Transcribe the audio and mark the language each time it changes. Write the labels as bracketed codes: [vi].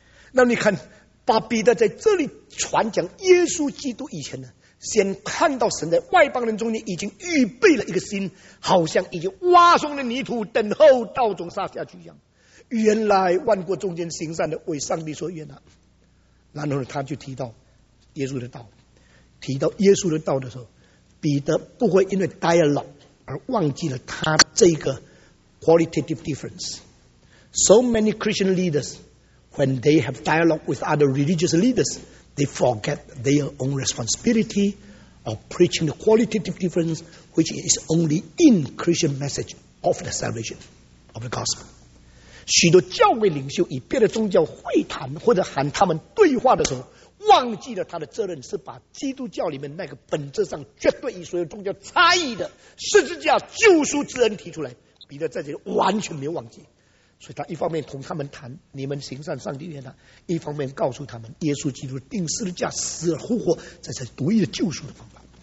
[zh] 那你看把彼得在这里传讲耶稣基督以前呢，先看到神在外邦人中间已经预备了一个心，好像已经挖松了泥土，等候道种撒下去一样。原来万国中间行善的为上帝所愿的，然后他就提到耶稣的道，提到耶稣的道的时候，彼得不会因为 [en] dialogue [zh] 而忘记了他这个 [en] qualitative difference。 So many Christian leaders when they have dialogue with other religious leaders they forget their own responsibility of preaching the qualitative difference which is only in Christian message of the salvation of the gospel。 [zh] 许多教会领袖与别的宗教会谈或者喊他们对话的时候，忘记了他的责任是把基督教里面那个本质上绝对与所有宗教差异的十字架救赎之恩提出来。彼得在这里完全没有忘记，所以他一方面同他们谈你们行善上帝悦纳，一方面告诉他们耶稣基督钉十字架死而复活这才独一的救赎的方法。